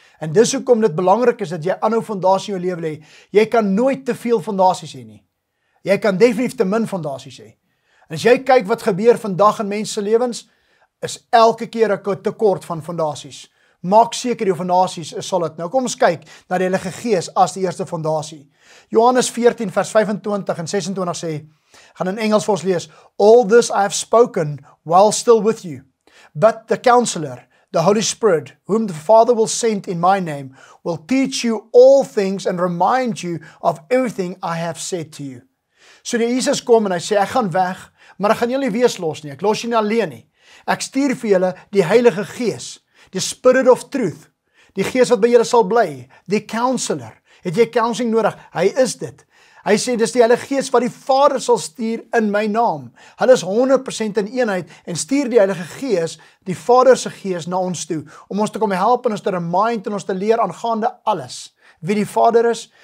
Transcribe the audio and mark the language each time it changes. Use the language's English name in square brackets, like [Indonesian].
[Afrikaans] En dis hoekom dit belangrik is dat jy aanhou fondasie in jou lewe lê. Jy kan nooit te veel fondasies hê nie. Jy kan definitief te min fondasies hê. En as jy kyk wat gebeur vandag in mense se lewens, is elke keer 'n tekort van fondasies. Maak seker jou fondasies is solid. Nou kom ons kyk na die Heilige Gees as die eerste fondasie. Johannes 14 vers 25 en 26 sê, gaan in Engels vir ons lees, [English] all this I have spoken while still with you, but the counselor, the Holy Spirit, whom the Father will send in my name, will teach you all things and remind you of everything I have said to you. [Afrikaans] So die Jesus kom en hy sê, ek gaan weg, maar ek gaan julle wees los nie, ek los julle alleen nie. Ek stuur vir julle die Heilige Gees, [English] the Spirit of Truth, [Afrikaans] die Gees wat by julle sal bly, [English] the Counselor, [Afrikaans] het jy counseling nodig? Hy is dit. Hy sê, dis die Heilige Gees wat die Vader sal stuur in my naam. Hulle is 100% in eenheid en stuur die Heilige Gees, die Vaderse Gees, na ons toe, om ons te kom help en ons te remind en ons te leer aangaande alles, wie die Vader is.